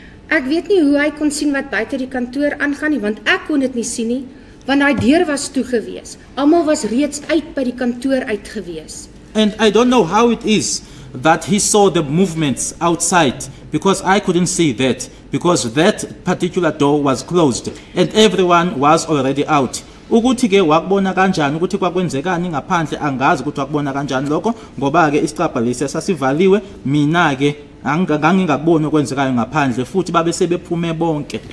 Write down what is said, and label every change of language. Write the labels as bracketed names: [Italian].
[Afrikaans] Ek weet nie hoe hy kon sien wat buite die kantoor aangaan nie, want ek kon dit nie sien nie, want daai deur was toe gewees. Almal was reeds uit by die kantoor uit gewees. [English] And I don't know how it is that he saw the movements outside, because I couldn't see that, because that particular door was closed and everyone was already out. [Zulu] Ukuthi ke wakubona kanjani ukuthi kwakwenzekani ngaphandle, angazi ukuthi wakubona kanjani lokho, ngoba ke isicabha lesi sasivaliwe, mina ke angangingakuboni okwenzekayo ngaphandle futhi babe sebephume bonke.